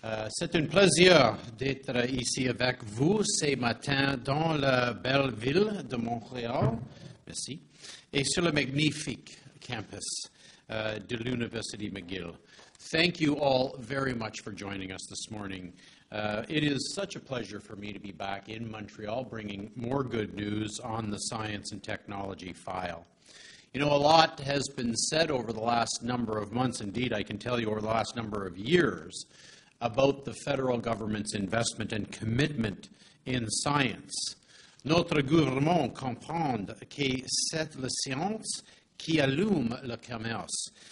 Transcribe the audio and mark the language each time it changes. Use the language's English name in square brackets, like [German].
[French] C'est un plaisir d'être ici avec vous ce matin dans la belle ville de Montréal, merci, et sur le magnifique campus de l'Université McGill. [English] Thank you all very much for joining us this morning. It is such a pleasure for me to be back in Montreal bringing more good news on the science and technology file. You know, a lot has been said over the last number of months, indeed I can tell you over the last number of years, about the federal government's investment and commitment in science. [French] Notre gouvernement comprend que c'est la science qui allume le commerce.